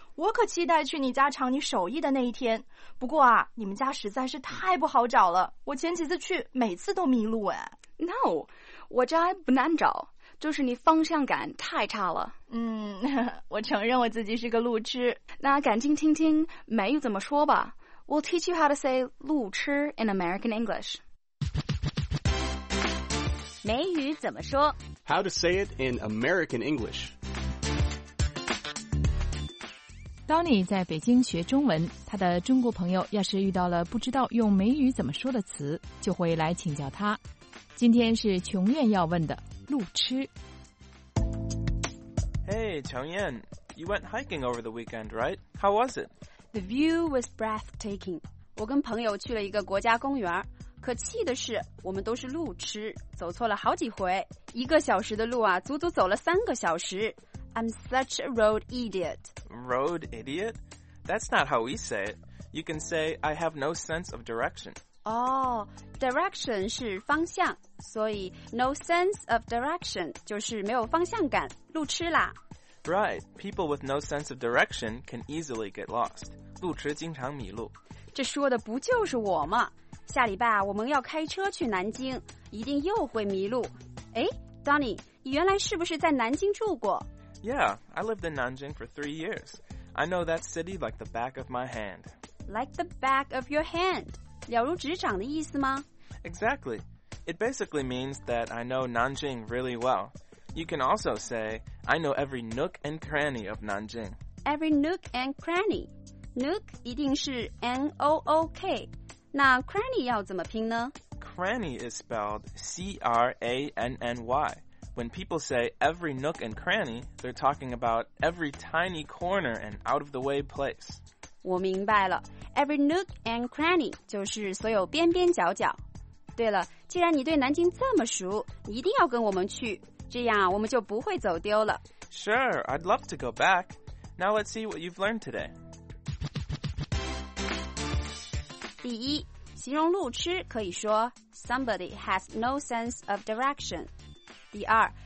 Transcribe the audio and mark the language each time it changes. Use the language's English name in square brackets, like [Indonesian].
[Chinese] 我可期待去你家尝你手艺的那一天。不过啊，你们家实在是太不好找了。我前几次去，每次都迷路哎。 No, 我家不难找，就是你方向感太差了。我承认我自己是个路痴。那赶紧听听梅雨怎么说吧。 [English] We'll teach you how to say 路痴 in American English. [Chinese] 梅雨怎么说？ [English] How to say it in American English. [Chinese] Donnie 在北京学中文，他的中国朋友要是遇到了不知道用梅雨怎么说的词，就会来请教他。今天是琼艳要问的路痴。 [English] Hey, 琼艳， you went hiking over the weekend, right? How was it? The view was breathtaking. [Chinese] 我跟朋友去了一个国家公园，可气的是我们都是路痴，走错了好几回。一个小时的路啊，足足走了三个小时。 [English] I'm such a road idiot. Road idiot? That's not how we say it. You can say, I have no sense of direction. [Chinese] Direction 是方向，所以 [English] no sense of direction [Chinese] 就是没有方向感，路痴啦。 [English] Right, people with no sense of direction can easily get lost. [Chinese] 路痴经常迷路。这说的不就是我吗？下礼拜我们要开车去南京，一定又会迷路。 Donnie, 你原来是不是在南京住过？ [English] Yeah, I lived in Nanjing for 3 years. I know that city like the back of my hand. Like the back of your hand? [Chinese] 了如指掌的意思吗？ [English] Exactly. It basically means that I know Nanjing really well. You can also say, I know every nook and cranny of Nanjing. Every nook and cranny. Nook [Chinese] 一定是 [English] N-O-O-K. [Chinese] 那 cranny 要怎么拼呢? [English] Cranny is spelled C-R-A-N-N-Y. When people say every nook and cranny, they're talking about every tiny corner and out-of-the-way place. [Chinese] 我明白了。 [English] Every nook and cranny [Chinese] 就是所有边边角角。对了，既然你对南京这么熟，你一定要跟我们去。这样我们就不会走丢了。 [English] Sure, I'd love to go back. Now let's see what you've learned today. [Chinese] 第一，形容路痴可以说 [English] somebody has no sense of direction. [Chinese] 第二，